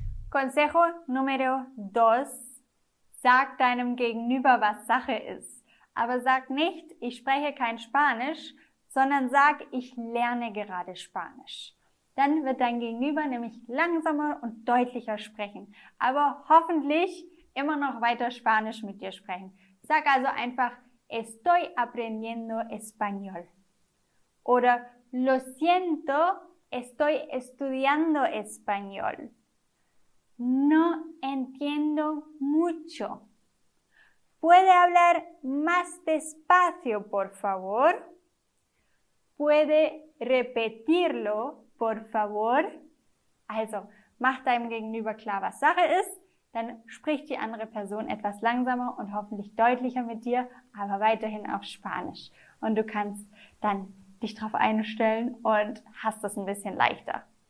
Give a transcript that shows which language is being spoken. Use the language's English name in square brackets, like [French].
[Spanish] Consejo número dos. [German] Sag deinem Gegenüber, was Sache ist. Aber sag nicht, ich spreche kein Spanisch, sondern sag, ich lerne gerade Spanisch. Dann wird dein Gegenüber nämlich langsamer und deutlicher sprechen, aber hoffentlich immer noch weiter Spanisch mit dir sprechen. Sag also einfach, [Spanish] estoy aprendiendo español. Oder, lo siento, estoy estudiando español. No entiendo mucho. ¿Puede hablar más despacio, por favor? ¿Puede repetirlo, por favor? [German] Also, mach deinem Gegenüber klar, was Sache ist, dann spricht die andere Person etwas langsamer und hoffentlich deutlicher mit dir, aber weiterhin auf Spanisch. Und du kannst dann dich drauf einstellen und hast es ein bisschen leichter.